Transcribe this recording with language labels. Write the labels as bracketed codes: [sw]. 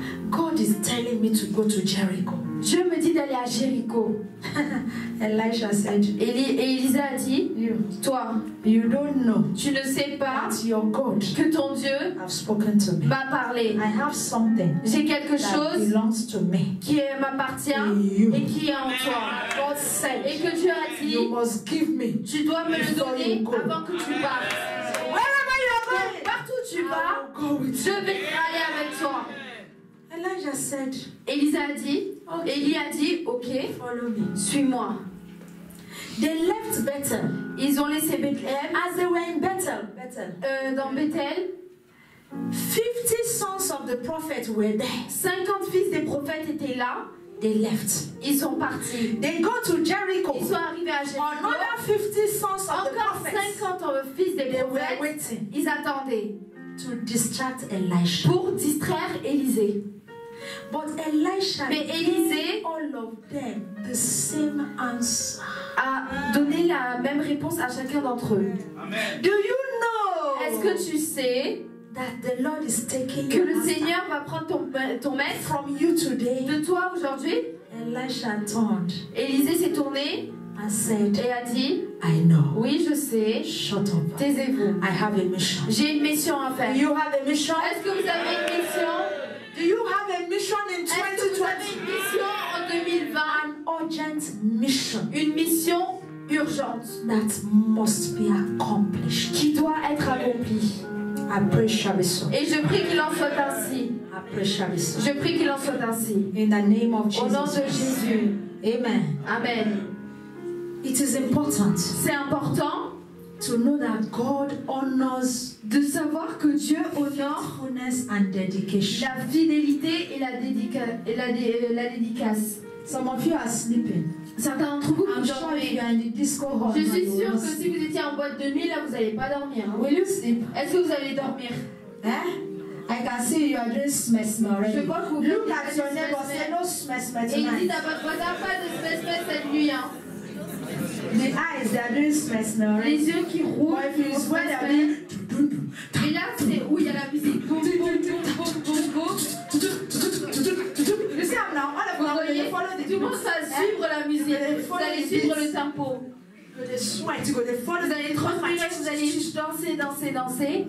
[en] God is telling me to go to Jericho. [fr] Dieu me dit d'aller à Jéricho. [en] Elijah said, [fr] Élisée a dit, [en] you, [fr] toi, [en] you don't know, [fr] tu ne sais pas [en] that your God [fr] que ton Dieu [en] have spoken to me. [fr] M'a parlé. [en] I have something [fr] j'ai quelque [en] that [fr] chose [en] belongs to me [fr] qui m'appartient et qui est en toi. [en] God said, [fr] et que Dieu a dit, [en] you must give me, [fr] tu dois me le donner avant que tu partes. [en] Wherever you are going, [fr] partout où tu vas, je vais aller avec toi. [en] Elijah said, [fr] Élisée a dit, [en] okay, [fr] Élie a dit, ok, [en] follow me. [fr] Suis-moi. [en] They left Bethel. [fr] Ils ont laissé Bethlehem. [en] As they were in Bethel. Bethel. [fr] Dans Bethel. [en] 50 sons of the prophets were there. [fr] 50 fils des prophètes étaient là. [en] They left. [fr] Ils sont partis. [en] They go to Jericho. [fr] Ils sont arrivés à Jéricho. [en] Another 50 sons of the prophets. [fr] Encore 50 fils des prophètes. [en] They were waiting. [fr] Ils attendaient. [en] To distract Elisha. [fr] Pour distraire Élisée. [en] But Elisha [fr] Mais Élisée [en] gave all of them the same answer. [fr] A donné la même réponse à chacun d'entre eux. [en] Amen. Do you know? [fr] Est-ce que tu sais [en] that the Lord is taking [fr] que le Seigneur va prendre ton maître [en] from you today? [fr] De toi aujourd'hui? [en] Elisha turned. [fr] Élisée s'est tourné. [en] I said, [fr] et a dit, [en] I know. [fr] Oui, je sais. [en] Shut up. [fr] Taisez-vous. [en] I have a mission. [fr] J'ai une mission à faire. [en] You have a mission. [fr] Est-ce que vous avez une mission? [en] Do you have a mission in 2020? [fr] Est-ce que vous avez une mission en 2020? [en] An urgent mission. [fr] Une mission urgente. [en] That must be accomplished. [fr] Qui doit être accomplie. [en] I pray shall be so. [fr] Et je prie qu'il en soit ainsi. [en] I pray shall be so. [fr] Je prie qu'il en soit ainsi. [en] In the name of Jesus. [fr] Au nom de Jésus. [en] Amen. [fr] Amen. [en] It is important. [fr] C'est important [en] to know that God honors [fr] de savoir que Dieu honore [en] honest and dedication. [fr] La fidélité et la dédicace. [en] Some of you are sleeping. [fr] Certains d'entre vous [en] I'm sure [fr] dormez. [en] You are in the disco hall. [fr] Je suis sûr que si vous étiez en boîte de nuit là, vous n'allez pas dormir. Hein? [en] Will you sleep? [fr] Est-ce que vous allez dormir? Hein? [en] I can see you are just mesmerized. [fr] Je vois que vous [en] look at your neighbor, say no mesmerized. [fr] Et il dit à votre voisin pas de mesmerized cette nuit hein. [en] The eyes, they are doing smesmer. [fr] Les yeux qui roulent. [en] Or if you swear, they are doing. [fr] Et là, où il y a la musique. Boom, boom, boom, boom, boom, boom, boom. [en] You see, I'm now all of them. You follow the tempo. [fr] Tout le monde va suivre la musique. Vous allez suivre le tempo. Vous allez transpirer, vous allez danser, danser, danser.